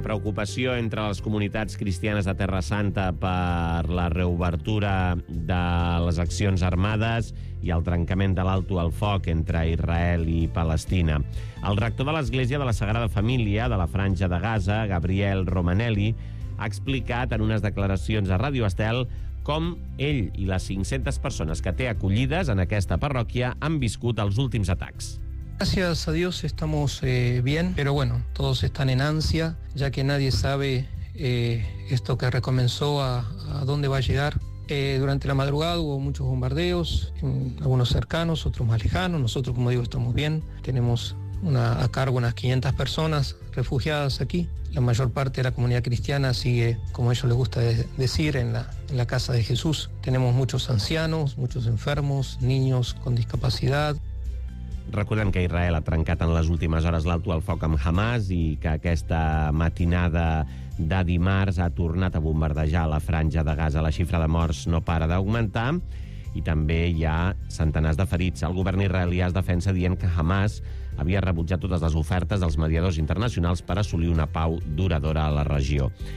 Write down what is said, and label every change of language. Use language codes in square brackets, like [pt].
[ca] Preocupació entre les comunitats cristianes de Terra Santa per la reobertura de les accions armades i el trencament de l'alto al foc entre Israel i Palestina. El rector de l'Església de la Sagrada Família de la Franja de Gaza, Gabriel Romanelli, ha explicat en unes declaracions a Ràdio Estel com ell i les 500 persones que té acollides en aquesta parròquia han viscut els últims atacs. [es] Gracias a Dios estamos bien, pero bueno, todos están en ansia, ya que nadie sabe esto que recomenzó a dónde va a llegar. Durante la madrugada hubo muchos bombardeos, algunos cercanos, otros más lejanos. Nosotros, como digo, estamos bien. Tenemos a cargo unas 500 personas refugiadas aquí. La mayor parte de la comunidad cristiana sigue, como a ellos les gusta decir, en la casa de Jesús. Tenemos muchos ancianos, muchos enfermos, niños con discapacidad. [ca] Recordem que Israel ha trencat en les últimes hores l'alto el foc amb Hamas i que aquesta matinada de dimarts ha tornat a bombardejar la franja de Gaza. La xifra de morts no para d'augmentar i també hi ha centenars de ferits. El govern israelià es defensa dient que Hamas havia rebutjat totes les ofertes dels mediadors internacionals per assolir una pau duradora a la regió.